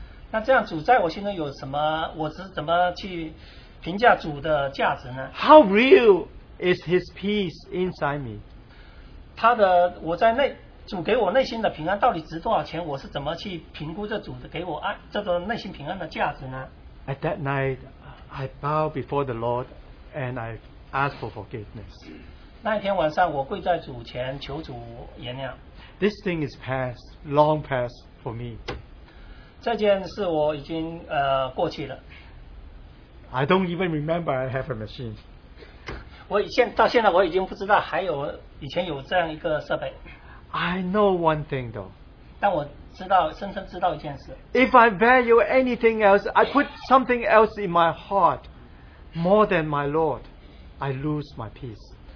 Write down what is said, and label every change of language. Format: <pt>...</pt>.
<zh>那这样主在我心中有什么我是怎么去评价主的价值呢?</zh> <en>How real is his peace inside me?</en> <zh>他的我在内主给我内心的平安到底值多少钱？我是怎么去评估这主的给我爱这个内心平安的价值呢</zh> <en>？At that night, I bow before the Lord and I ask for forgiveness.</en> <zh>那一天晚上，我跪在主前求主原谅。</zh> <en>This thing is past, long past for me.</en> <zh>这件事我已经过去了。</zh> <en>I don't even remember I have a machine.</en> <zh>到现在我已经不知道还有以前有这样一个设备。</zh> <en>I know one thing though.</en> <zh>但我知道，深深知道一件事。</zh> <en>If I value anything else, I put something else in my heart more than my Lord, I lose my peace.</en>